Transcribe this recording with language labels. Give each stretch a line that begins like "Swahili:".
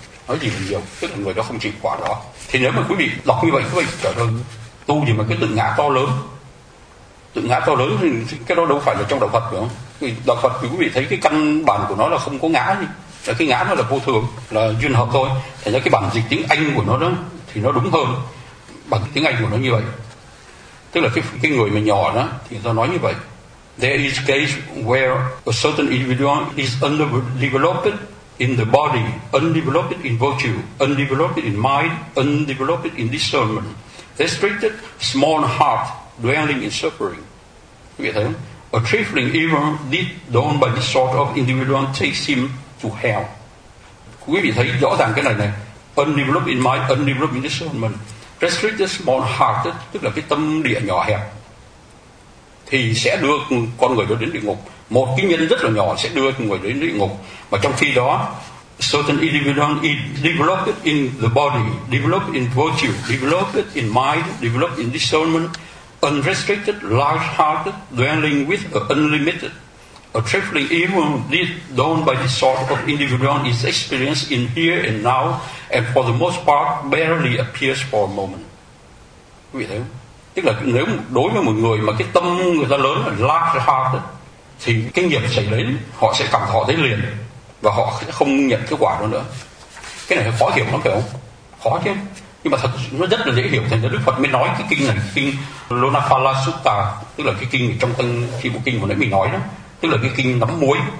Vietnamese: Nói gì mình nhiều, tức là người đó không chịu quả đó. Thì nếu mà quý vị đọc như vậy, quý vị trở nên tu gì mà cái tự ngã to lớn, tự ngã to lớn thì cái đó đâu phải là trong đạo Phật được không? Đạo Phật thì quý vị thấy cái căn bản của nó là không có ngã gì, là cái ngã nó là vô thường, là duyên hợp thôi. Thế nên cái bản dịch tiếng Anh của nó đó thì nó đúng hơn, bản tiếng Anh của nó như vậy. Tức là cái người mà nhỏ đó thì người ta nói như vậy.
English: There is a case where a certain individual is underdeveloped in the body, undeveloped in virtue, undeveloped in mind, undeveloped in discernment, restricted, small heart, dwelling in suffering.
Vietnamese: Quý vị thấy không?
English: A trifling evil did done by this sort of individual takes him to hell.
Vietnamese: Quý vị thấy rõ ràng cái này này.
English: Undeveloped in mind, undeveloped in discernment, restricted, small heart,
Vietnamese: tức là cái tâm địa nhỏ hẹp, thì sẽ đưa con người đó đến địa ngục. Một cái nhân rất là nhỏ sẽ đưa người đến địa ngục. Mà trong khi đó,
English: certain individual is developed in the body, developed in virtue, developed in mind, developed in discernment, unrestricted, large-hearted, dwelling with the unlimited. A trifling evil did done by this sort of individual is experienced in here and now, and for the most part barely appears for a moment.
Vietnamese: Quý vị thấy không? Tức là nếu đối với một người mà cái tâm người ta lớn là large heart, thì cái nghiệp xảy đến họ sẽ cảm thọ thấy liền và họ sẽ không nhận kết quả đó nữa. Cái này khó hiểu lắm phải không? Khó chứ. Nhưng mà thật nó rất là dễ hiểu. Thành ra Đức Phật mới nói cái kinh này, cái kinh Lonapala Sutta, tức là cái kinh trong tân khi bộ kinh của nãy mình nói đó, tức là cái kinh nắm muối.